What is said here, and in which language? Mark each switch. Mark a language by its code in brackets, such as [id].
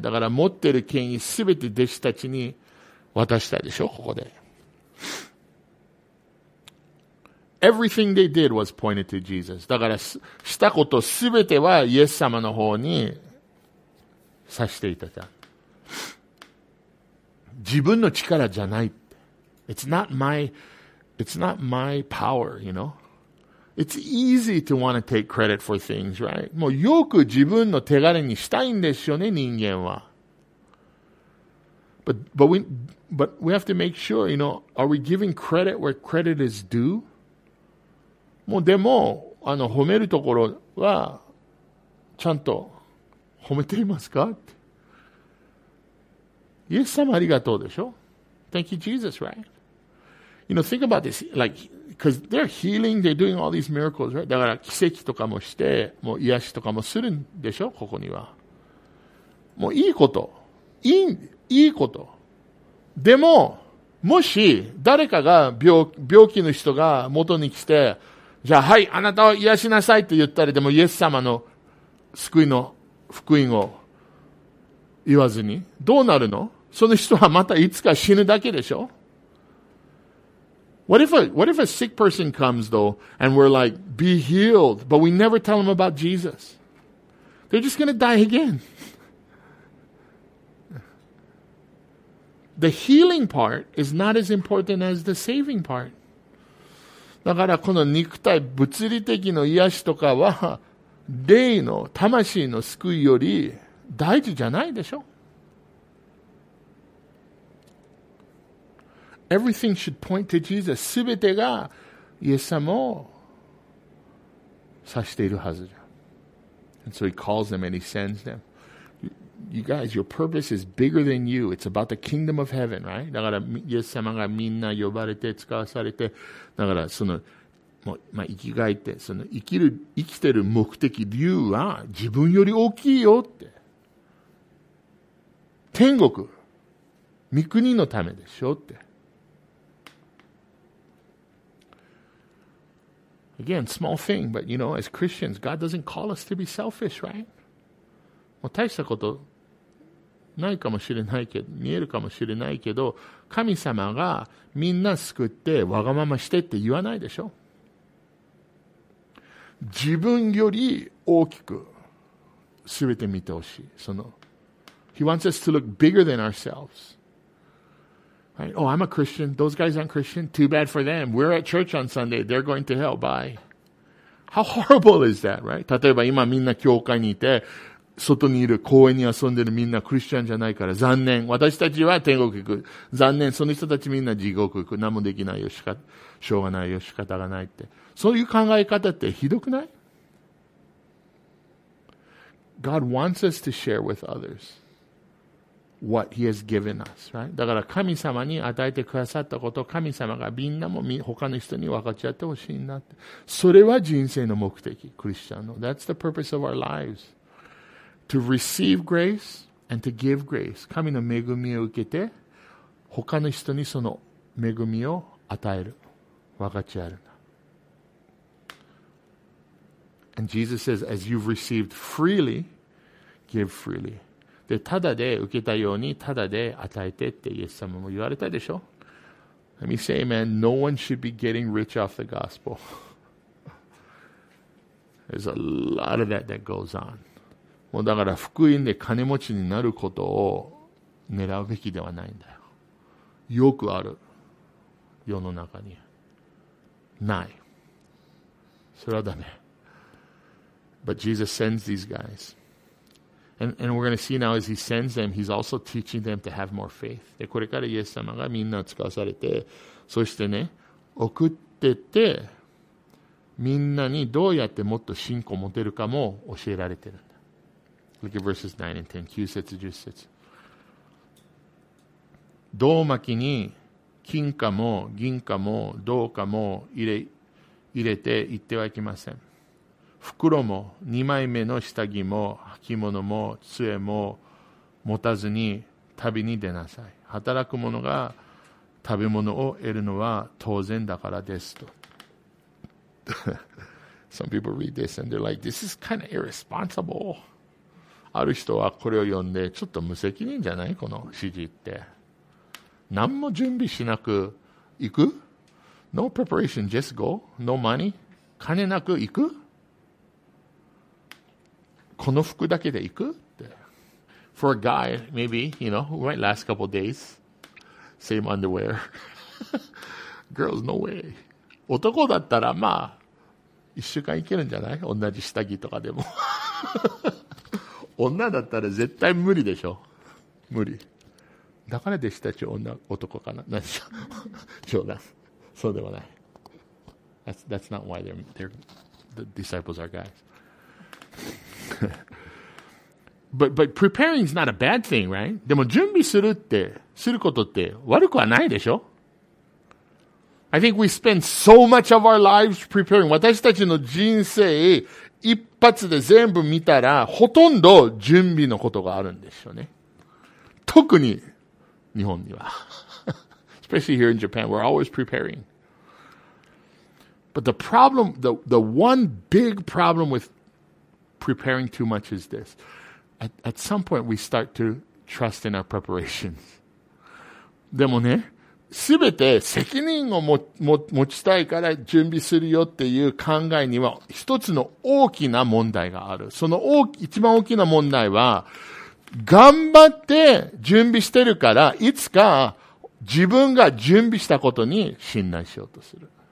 [ja] だから持ってる権威すべて弟子たちに渡したでしょ、ここで。 [en] Everything they did was pointed to Jesus. [ja] だからしたことすべてはイエス様の方に指していたじゃん。自分の力じゃない。 [en] It's not my power, you know. It's easy to want to take credit for things, right? [ja] もうよく自分の手柄にしたいんですよね、人間は。 [en] But we have to make sure, you know, are we giving credit where credit is due? [ja] もうでも、あの、褒めるところは、ちゃんと褒めていますか? イエス様ありがとうでしょ? [en] Thank you, Jesus, right? You know, think about this. Like, because they're healing, they're doing all these miracles, right? [ja] だから奇跡とかもして、もう癒しとかもするんでしょ?ここには。もういいこと。いいこと。でも、もし誰かが病気の人が元に来て、じゃあはい、あなたを癒しなさいって言ったら、でもイエス様の救いの福音を言わずに、どうなるの? その人はまたいつか死ぬだけでしょ? [en] What if a sick person comes though, and we're like, be healed, but we never tell them about Jesus? They're just gonna die again. The healing part is not as important as the saving part. [ja] だからこの肉体、物理的の癒しとかは、霊の、魂の救いより大事じゃないでしょ? [en] Everything should point to Jesus. [ja] すべてがイエス様を指しているはずじゃ。 [en] And so he calls them and he sends them. You guys, your purpose is bigger than you. It's about the kingdom of heaven, right? [ja] だからイエス様がみんな呼ばれて使わされて、だからその、まあ、生きがいって、その生きてる目的、理由は自分より大きいよって。天国、御国のためでしょって。 [en] Again, small thing, but you know, as Christians, God doesn't call us to be selfish, right? [ja] もう大したことないかもしれないけど、見えるかもしれないけど、神様がみんな救ってわがまましてって言わないでしょ。自分より大きく全て見てほしい。 [en] その He wants us to look bigger than ourselves. Right? Oh, I'm a Christian. Those guys aren't Christian. Too bad for them. We're at church on Sunday. They're going to hell. Bye. How horrible is that, right? [ja] 例えば今みんな教会にいて、外にいる公園に遊んでるみんなクリスチャンじゃないから残念。私たちは天国行く。残念。その人たちみんな地獄行く。何もできないよ。しょうがないよ。仕方がないって。そういう考え方ってひどくない？ [en] God wants us to share with others what he has given us, right? [ja] だから神様に与えてくださったことを神様がみんなも他の人に分かち合ってほしいなって。それは人生の目的、クリスチャンの。 [en] That's the purpose of our lives. To receive grace and to give grace. [ja] 神の恵みを受けて、他の人にその恵みを与える。分かち合える。 [en] And Jesus says, as you've received freely, give freely. [ja] で、ただで受けたように、ただで与えてってイエス様も言われたでしょ。 [en] Let me say, man, no one should be getting rich off the gospel. There's a lot of that that goes on. [ja] もうだから福音で金持ちになることを狙うべきではないんだよ。よくある。世の中に。ない。それはダメ。 [en] But Jesus sends these guys. And we're going to see now as he sends them, he's also teaching them to have more faith. [ja] で、これからイエス様がみんな使わされて、そしてね、送ってて、みんなにどうやってもっと信仰を持てるかも教えられてるんだ。 [en] Look at verses 9 and 10. [ja] 9節、10節。銅巻に金貨も銀貨も銅貨も入れて行ってはいけません。袋も二枚目の下着も履物も杖も持たずに旅に出なさい。働く者が食べ物を得るのは当然だからですと。 [en] Some people read this and they're like, this is kind of irresponsible. [ja] ある人はこれを読んで、ちょっと無責任じゃないこの指示って。何も準備しなく行く ? [en] No preparation, just go. No money. [ja] 金なく行くこの服だけで行くって。 [en] For a guy, maybe, you know, who might last a couple days, same underwear. Girls, no way. [ja] 男だったら、まあ、一週間行けるんじゃない？同じ下着とかでも。女だったら絶対無理でしょ。無理。だから弟子たち男かな。何でしょう。冗談。そうではない。 [en] That's not why the disciples are guys. but preparing is not a bad thing, right? [ja] でも準備するって、することって悪くはないでしょ? [en] I think we spend so much of our lives preparing. [ja] 私たちの人生一発で全部見たら、ほとんど準備のことがあるんでしょうね。特に日本には。 [en] Especially here in Japan, we're always preparing. But the problem, the one big problem withpreparing too much is this. At some point, we start to trust in our preparations. [ja] でもね、すべて責任を持ちたいから準備するよっていう考えには一つの大きな問題がある。その一番大きな問題は、頑張って準備してるから、いつか自分が準備したことに信頼しようとする。